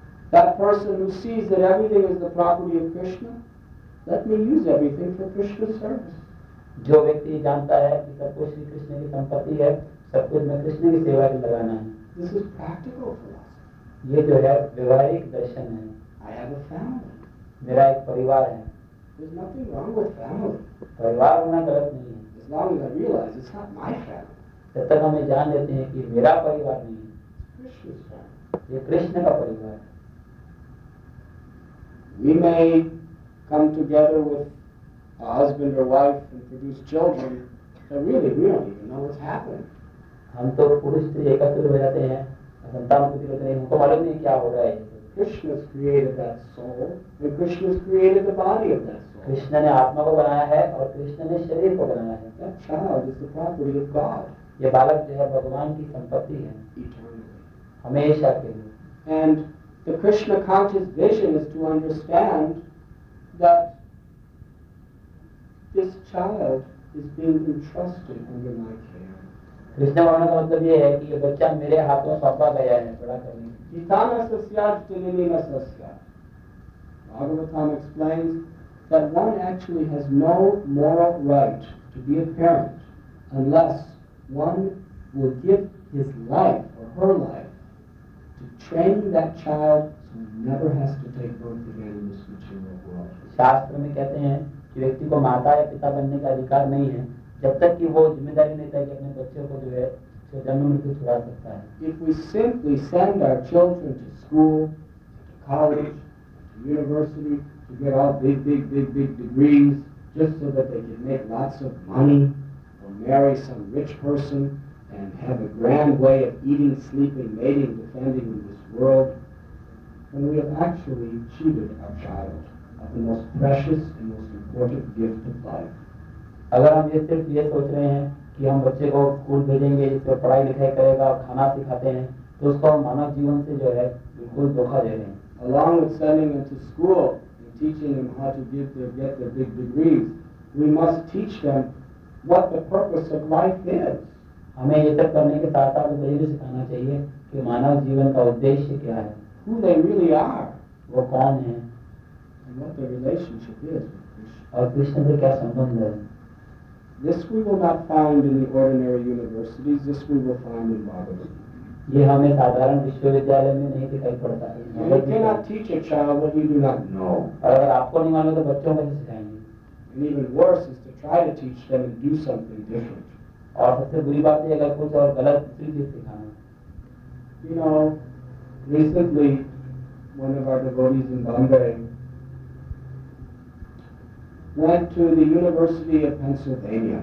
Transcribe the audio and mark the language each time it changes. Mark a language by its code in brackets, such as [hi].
[en] That person who sees that everything is the property of Krishna, let me use everything for Krishna's service. [hi] जो व्यक्ति जानता है कि सब कुछ कृष्ण की संपत्ति है, सब कुछ मैं कृष्ण की सेवा में लगाना है. [en] This is practical philosophy. [hi] ये जो है व्यवहारिक दर्शन है. [en] I have a family. [hi] मेरा एक परिवार है. [en] There's nothing wrong with family. [hi] परिवार होना गलत नहीं है. [en] As long as I realize it's not my family. [hi] जब तक हमें जान लेते हैं कि मेरा परिवार नहीं है, कृष्ण ये कृष्ण का परिवार है. [en] We may come together with a husband or wife and produce children, but really we don't even know what's happening. [hi] हम तो पुरुष स्त्री एकत्र हो जाते हैं, संतान उत्पत्ति होते हैं, हमको मालूम नहीं क्या हो रहा है. [en] Krishna has created that soul, and Krishna has created the body of that soul. [hi] Krishna ने आत्मा को बनाया है और कृष्ण ने शरीर को बनाया है. [en] Child is the property of God. [hi] ये बालक जो है भगवान की संपत्ति है हमेशा के लिए. [en] And the Krishna conscious vision is to understand that this child is being entrusted under my care. [hi] Krishna वर्णन का मतलब ये है कि ये बच्चा मेरे हाथों सौंपा गया है बड़ा करने. Kitana sasyat tilinina sasyat. [en] Bhagavatam explains that one actually has no moral right to be a parent unless one will give his life or her life to train that child so he never has to take birth again in this material world. [hi] शास्त्र में कहते हैं कि व्यक्ति को माता या पिता बनने का अधिकार नहीं है जब तक कि वो जिम्मेदारी नहीं लेता कि अपने बच्चों को जो है से जन्म मृत्यु छुड़ा सकता है. [en] If we simply send our children to school, to college, to university, to get all big, big, big, big degrees, just so that they can make lots of money, or marry some rich person and have a grand way of eating, sleeping, mating, defending in this world, then we have actually cheated our child of the most precious and most important gift of life. [hi] अगर हम ये सिर्फ ये सोच रहे हैं कि हम बच्चे को स्कूल भेजेंगे जिस पर पढ़ाई लिखाई करेगा और खाना सिखाते हैं तो उसको हम मानव जीवन से जो है बिल्कुल धोखा दे रहे हैं. [en] Along with sending them to school and teaching them how to get their big degrees, we must teach them what the purpose of life is. [hi] हमें ये सब करने के साथ साथ उन्हें भी सिखाना चाहिए कि मानव जीवन का उद्देश्य क्या है. [en] Who they really are. [hi] वो कौन है. [en] And what their relationship is. [hi] और कृष्ण से क्या संबंध है. [en] This we will not find in the ordinary universities. This we will find in Bhagavad. [hi] ये हमें साधारण विश्वविद्यालय में नहीं दिखाई पड़ता है. [en] You cannot teach a child what you do not know. [hi] अगर आपको नहीं मालूम तो बच्चों को नहीं सिखाएंगे. [en] And even worse is to try to teach them and do something different. [hi] और सबसे बुरी बात ये है कि कुछ और गलत चीज सिखाना. [en] You know, recently, one of our devotees in Bombay went to the University of Pennsylvania